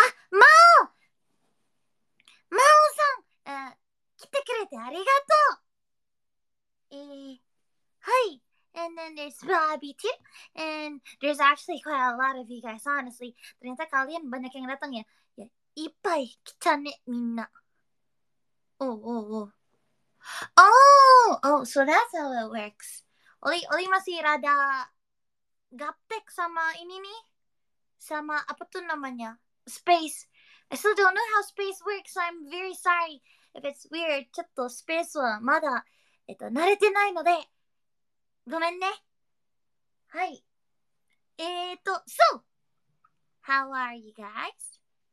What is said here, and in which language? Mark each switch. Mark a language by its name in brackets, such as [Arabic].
[Japanese] Mao! Mao-san, kite kurete arigato. Hai. [English] And then there's Bobby too. And there's actually quite a lot of you guys, honestly. [Indonesian] Ternyata kalian banyak yang datang ya. [Japanese] Ya, ippai kitane minna. [English] Oh, so that's how it works. [Indonesian] Oli masih rada gaptek sama ini nih. Sama apa tuh namanya? Space. [English] I still don't know how space works, so I'm very sorry if it's weird. [Japanese] Chotto space wa mada narete nai node. Gomen ne. [English] Hai. So. How are you guys?